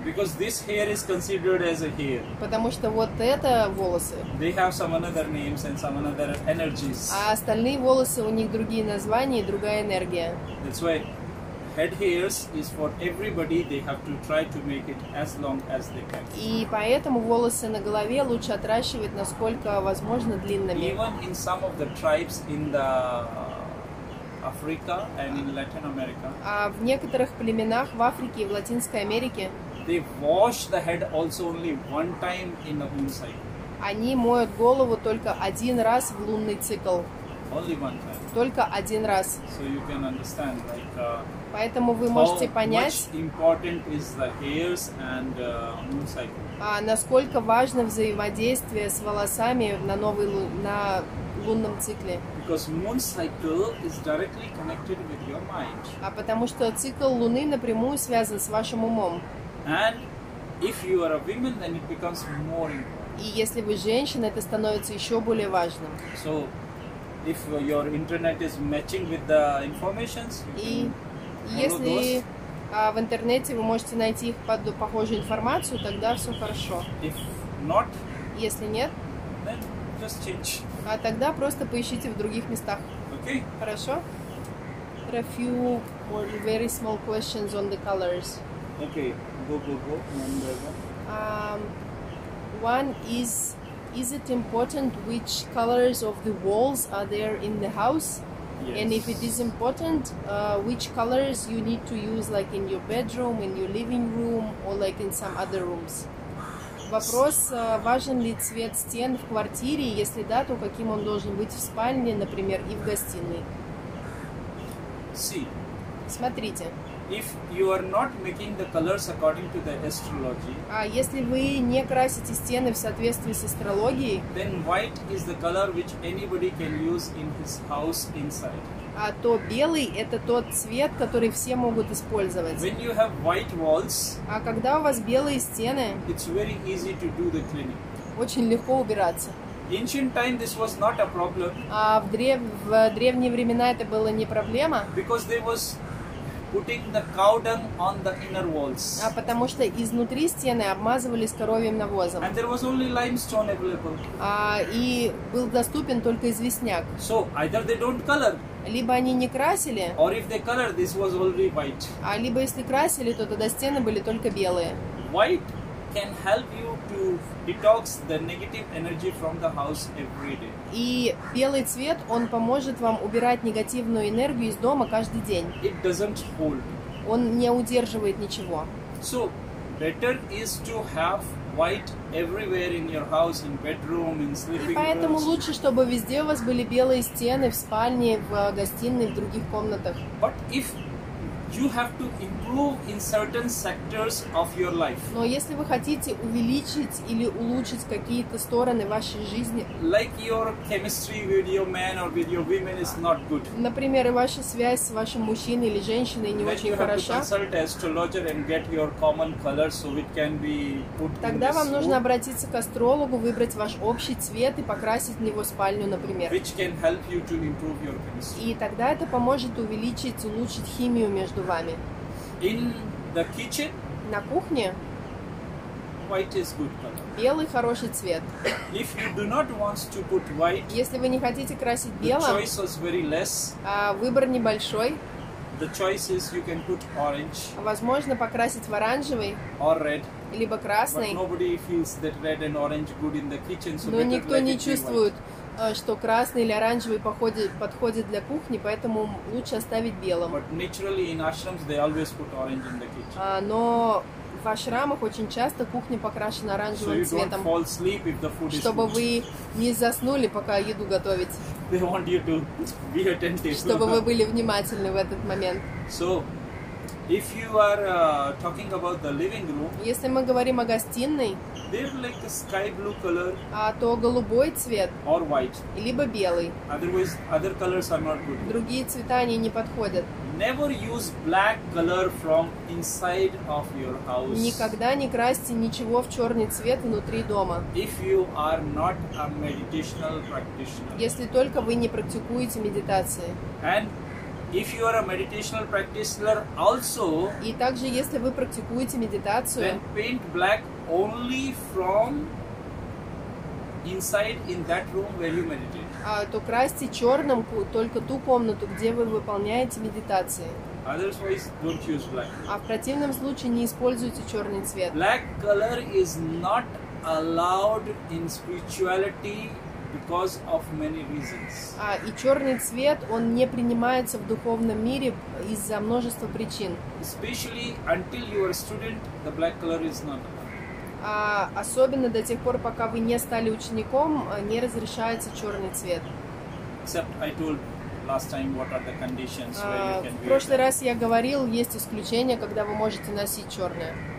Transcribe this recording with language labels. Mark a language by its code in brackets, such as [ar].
[en] Because this hair is considered as a hair. [ru] Потому что вот это волосы. [en] They have some other names and some other energies. [ru] А остальные волосы у них другие названия и другая энергия. [en] That's why. Head hairs is for everybody. They have to try to make it as long as they can. [ru] И поэтому волосы на голове лучше отращивать насколько возможно длинными. [en] Even in some of the tribes in the Africa and in Latin America. [ru] В некоторых племенах в Африке и в Латинской Америке. [en] They wash the head also only one time in the moon cycle. [ru] Они моют голову только один раз в лунный цикл. [en] Only one time. [ru] Только один раз. [en] So you can understand, like. [ru] Поэтому вы можете понять, [en] important is the hairs and, moon cycle. [ru] Насколько важно взаимодействие с волосами на новый на лунном цикле. [en] Because moon cycle is directly connected with your mind. [ru] А потому что цикл Луны напрямую связан с вашим умом. [en] And if you are a woman, then it becomes more important. [ru] И если вы женщина, это становится еще более важным. [en] So, if your internet is matching with the informations, you can [ru] если в интернете вы можете найти их под похожую информацию, тогда все хорошо. [en] If not, [ru] если нет, [en] then just change. [ru] А тогда просто поищите в других местах. [en] Okay. [ru] Хорошо? [en] There are a few or very small questions on the colors. Okay, go. One by one. One is it important which colors of the walls are there in the house? Yes. And if it is important, which colors you need to use, like in your bedroom, in your living room, or like in some other rooms? [ru] Вопрос, важен ли цвет стен в квартире, если да, то каким он должен быть в спальне, например, и в гостиной? [en] See. [ru] Смотрите. [en] If you are not making the colors according to the astrology, [ru] а если вы не красите стены в соответствии с астрологией, [en] then white is the color which anybody can use in his house inside. [ru] А то белый – это тот цвет, который все могут использовать. [en] When you have white walls, [ru] а когда у вас белые стены, [en] it's very easy to do the cleaning. [ru] Очень легко убираться. [en] Ancient time this was not a problem. [ru] А в древние времена это было не проблема. [en] Because there was putting the cow dung on the inner walls. [ru] А потому что изнутри стены обмазывались коровьим навозом. [en] And there was only limestone available. [ru] А и был доступен только известняк. [en] So either they don't color. [ru] Либо они не красили. [en] Or if they color, this was already white. [ru] А либо если красили, то тогда стены были только белые. [en] White can help you to detox the negative energy from the house every day. [ru] И белый цвет, он поможет вам убирать негативную энергию из дома каждый день. [en] It doesn't hold. [ru] Он не удерживает ничего. [en] So, better is to have white everywhere in your house, in bedroom, in sleeping rooms. [ru] И поэтому лучше, чтобы везде у вас были белые стены, в спальне, в гостиной, в других комнатах. [en] But if you have to improve in certain sectors of your life. [ru] Но если вы хотите увеличить или улучшить какие-то стороны вашей жизни, [en] like your chemistry with your man or with your women is not good. [ru] Например, ваша связь с вашим мужчиной или женщиной не очень хороша. [en] Then you have to consult an astrologer and get your common colors so it can be put. [ru] Тогда вам нужно обратиться к астрологу, выбрать ваш общий цвет и покрасить в него спальню, например. [en] Which can help you to improve your chemistry. [ru] И тогда это поможет увеличить, улучшить химию между вами. [en] In the kitchen, [ru] на кухне [en] white is good color. [ru] Белый хороший цвет. [en] If you do not want to put white, [ru] если вы не хотите красить белым, [en] the choice was very less, [ru] а выбор небольшой, [en] the choice is you can put orange, [ru] возможно покрасить в оранжевый [en] or red, [ru] либо красный. [en] But nobody feels that red and orange good in the kitchen, so [ru] но никто не чувствует, что красный или оранжевый подходит для кухни, поэтому лучше оставить белым. [en] But naturally in ashrams they always put orange in the kitchen. [ru] Но в ашрамах очень часто кухня покрашена оранжевым цветом, чтобы вы не заснули, пока еду готовить. [en] They want you to be attentive. [ru] Чтобы вы были внимательны в этот момент. [en] So, if you are talking about the living room, [ru] если мы говорим о гостиной, [en] they're like the sky blue color, [ru] а то голубой цвет, [en] or white, [ru] либо белый. [en] Otherwise, other colors are not good. [ru] Другие цвета они не подходят. [en] Never use black color from inside of your house. [ru] Никогда не красьте ничего в черный цвет внутри дома. [en] If you are not a meditational practitioner, [ru] если только вы не практикуете медитации. [en] And if you are a meditational practitioner also, [ru] и также если вы практикуете медитацию, [en] then paint black only from inside in that room where you meditate. [ru] А то красьте черным только ту комнату, где вы выполняете медитации. [en] Otherwise, don't use black. [ru] А в противном случае не используйте черный цвет. [en] Black color is not allowed in spirituality because of many reasons. [ru] А и черный цвет, он не принимается в духовном мире из-за множества причин. [en] Especially until you are a student, the black color is not allowed. [ru] Особенно до тех пор, пока вы не стали учеником, не разрешается черный цвет. [en] Except I told last time what are the conditions where you can [ru] wear. В прошлый раз я говорил, есть исключения, когда вы можете носить черное.